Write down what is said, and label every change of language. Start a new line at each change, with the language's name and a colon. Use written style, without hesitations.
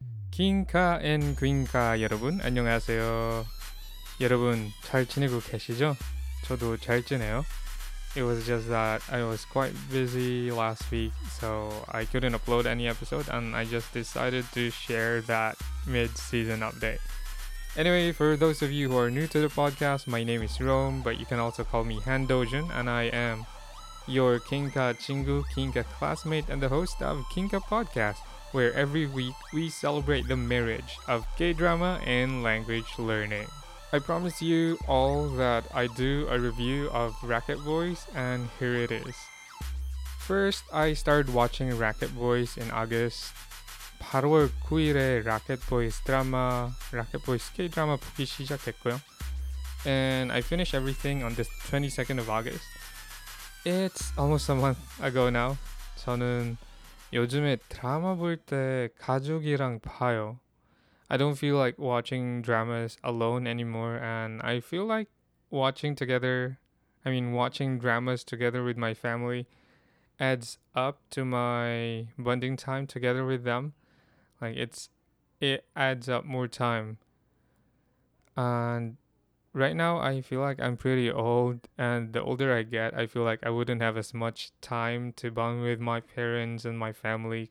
Korean: 긴카 앤 귄카 여러분, 안녕하세요. 여러분, 잘 지내고 계시죠? 저도 잘 지내요.
English: It was just that I was quite busy last week, so I couldn't upload any episode, and I just decided to share that mid-season update. Anyway, for those of you who are new to the podcast, my name is Rome, but you can also call me Handojun, and I am your Kinka chingu, Kinka classmate, and the host of Kinka Podcast, where every week we celebrate the marriage of K-drama and language learning. I promised you all that I do a review of Racket Boys, and here it is. First, I started watching Racket Boys in August.
Korean: 8월 9일에 Racket Boys 드라마, Racket Boys K-drama 보기 시작했고요.
English: And I finished everything on the 22nd of August. It's almost a month ago now.
Korean: 저는 요즘에 드라마 볼때 가족이랑 봐요.
English: I don't feel like watching dramas alone anymore, and I feel like watching dramas together with my family adds up to my bonding time together with them. Like it adds up more time. And right now I feel like I'm pretty old, and the older I get, I feel like I wouldn't have as much time to bond with my parents and my family.